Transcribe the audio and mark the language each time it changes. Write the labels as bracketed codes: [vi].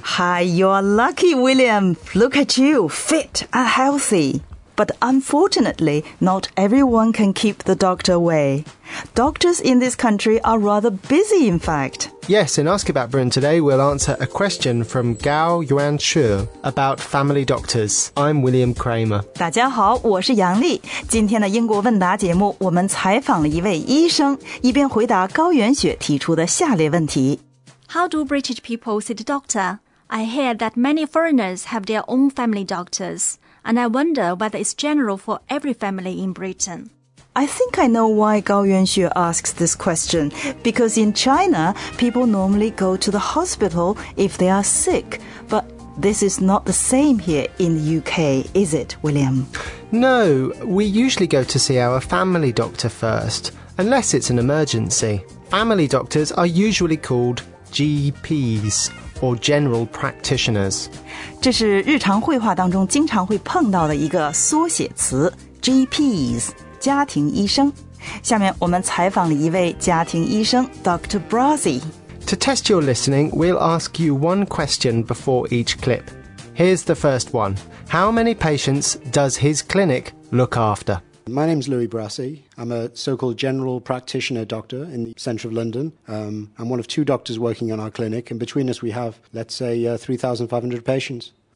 [en] Hi, you're lucky, William. Look at you, fit and healthy. But unfortunately, not everyone can keep the doctor away. Doctors in this country are rather busy, in fact. Yes, in Ask About Britain today, we'll answer a question from Gao Yuan Shu about family doctors. I'm William Kramer. [zh] 大家好，我是杨丽。今天的英国问答节目，我们采访了一位医生，一边回答高原雪提出的下列问题。 [en] How do British people see the doctor? I hear that many foreigners have their own family doctors, and I wonder whether it's general for every family in Britain. I think I know why Gao Yuanxue asks this question. Because in China, people normally go to the hospital if they are sick. But this is not the same here in the UK, is it, William? No, we usually go to see our family doctor first, unless it's an emergency. Family doctors are usually called GPs. Or general practitioners. [zh] 这是日常会话当中经常会碰到的一个缩写词 GPs, 家庭医生。下面我们采访了一位家庭医生 Dr. [en] Brazzi. To test your listening, we'll ask you one question before each clip. Here's the first one. How many patients does his clinic look after? My name's Louis Brazzi. I'm a so-called general practitioner doctor in the centre of London. I'm one of two doctors working on our clinic, and between us we have, let's say, 3,500 patients.